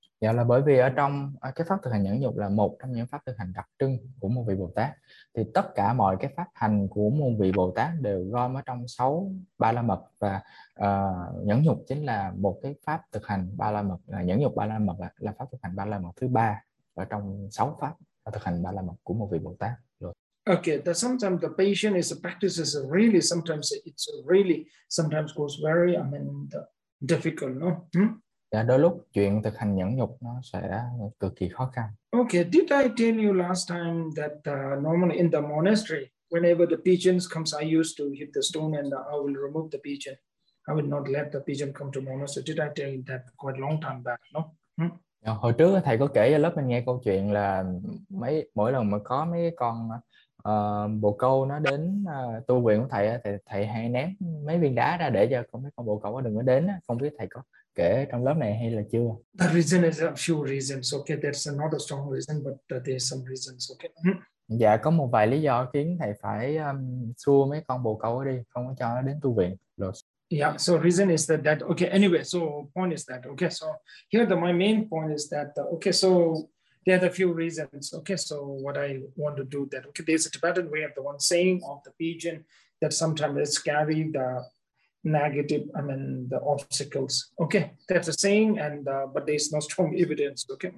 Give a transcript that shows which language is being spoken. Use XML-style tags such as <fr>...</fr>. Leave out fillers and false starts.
<vi>Dạ, là bởi vì ở trong cái pháp thực hành nhẫn nhục là một trong những pháp thực hành đặc trưng của một vị Bồ Tát, thì tất cả mọi cái pháp hành của một vị Bồ Tát đều gom ở trong 6 ba la mật, và nhẫn nhục chính là một cái pháp thực hành ba la mật, là nhẫn nhục ba la mật là pháp thực hành ba la mật thứ ba ở trong 6 pháp thực hành ba la mật của một vị Bồ Tát rồi.</vi> <en>Okay, that sometimes the patient is practices really sometimes it's really sometimes goes very I mean difficult, no?</en> <vi>Dạ, đôi lúc chuyện thực hành nhẫn nhục nó sẽ cực kỳ khó khăn.</vi> <en>Okay, did I tell you last time that normally in the monastery whenever the pigeons comes I used to hit the stone and I will remove the pigeon. I would not let the pigeon come to monastery. Did I tell you that quite long time back, no?</en> <vi>Hồi trước thầy có kể cho lớp mình nghe câu chuyện là mỗi lần mà có mấy con bồ câu nó đến tu viện của thầy thì thầy hay ném mấy viên đá ra để cho mấy con bồ câu nó đừng có đến. Không biết thầy có kể trong lớp này hay là chưa.</vi> <en>The reason is a few reasons, okay, that's not a strong reason but there's some reasons, okay.</en> <vi>Dạ, có một vài lý do khiến thầy phải xua mấy con bồ câu đi, không có cho nó đến tu viện.</vi> <en>Yeah, so reason is that okay, anyway, so point is that, okay, so here my main point is that, okay, so there are a few reasons, okay, so what I want to do that, okay, there's a Tibetan way of the one saying of the pigeon that sometimes it's carry the negative, I mean, the obstacles, okay, that's a saying, and but there's no strong evidence, okay.</en>